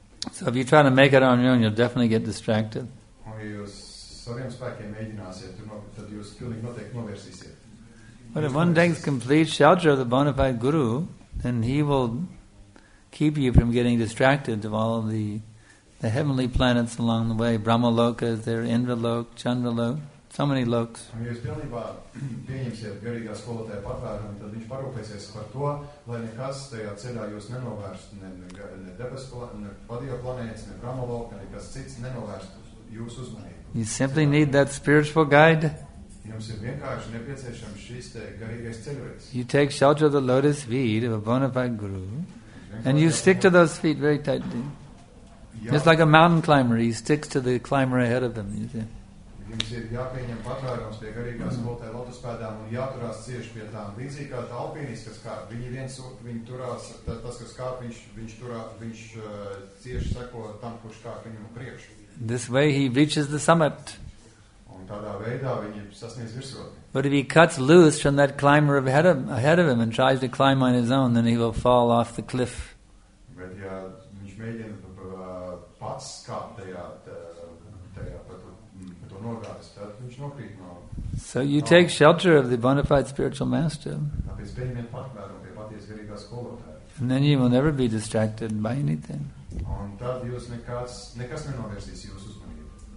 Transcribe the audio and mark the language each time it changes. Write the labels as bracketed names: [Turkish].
[English] So if you try to make it on your own, you'll definitely get distracted. [Latvian] Saviem spēkiem mēģināsiet, tad jūs pilnīgi noteikti novērsīsiet. [English] But if one takes complete shelter of the bona fide guru, then he will keep you from getting distracted to all of the heavenly planets along the way. Brahma loka is there, Indra loka, Chandra loka, so many lokas. [Latvian] Ja jūs pilnībā pieņemsiet garīgā skolotāja patvērumu, tad viņš parūpēsies par to, lai nekas tajā ceļā jūs nenovērstu ne debes planētas, ne padio planētas, ne Brahma loka, nekas cits nenovērstu jūsu uzmanību. [English] You simply need that spiritual guide. [Latvian] Jums ir vienkārši nepieciešams šīs te garīgais ceļojums. [English] You take shelter of the lotus feet of a bona fide guru, and you stick to those feet very tightly. Just like a mountain climber, he sticks to the climber ahead of him, you see. [Latvian] Jums ir jāpieņem patvērums pie garīgās skolotāja lotus pēdām un jāturās cieši pie tām. Līdzīgi kā tā alpīnisti, kas kāp, viņš cieši seko tam, kurš kāp viņam priekš. [English] This way he reaches the summit. [Latvian] Un tādā veidā viņi sasniedz virsroti. [English] But if he cuts loose from that climber ahead of him and tries to climb on his own, then he will fall off the cliff. [Latvian] Bet ja viņš mēģina pats kāpt tajā pa to nogāzes, tad viņš nokrīt no... [English] So you take shelter of the bona fide spiritual master. [Latvian] Tāpēc pieņemiet patvērumu pie paties garīgā skolotāja. [English] And then you will never be distracted by anything. [Latvian] Un tad jūs nekas nenovērsīs jūs uzmanību.